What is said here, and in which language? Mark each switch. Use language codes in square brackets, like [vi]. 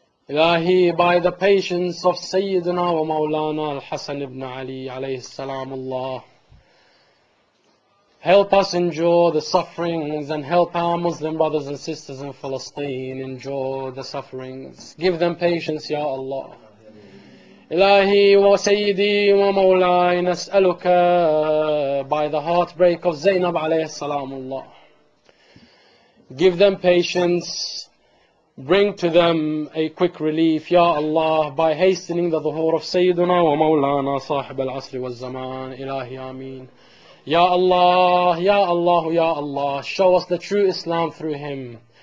[en] إلهي, by the patience of [ar] سيدنا ومولانا الحسن بن علي عليه السلام الله, [en] help us endure the sufferings and help our Muslim brothers and sisters in Palestine endure the sufferings. Give them patience, Ya Allah. [ar] إلهي وسيدي ومولاي نسألك [en] by the heartbreak of [ar] زينب عليه السلام الله. [en] Give them patience, bring to them a quick relief, Ya Allah, by hastening the ظهور of [ar] سيدنا ومولانا صاحب العصر والزمان. إلهي آمين. [en] Ya Allah, Ya Allah, Ya Allah, show us the true Islam through him.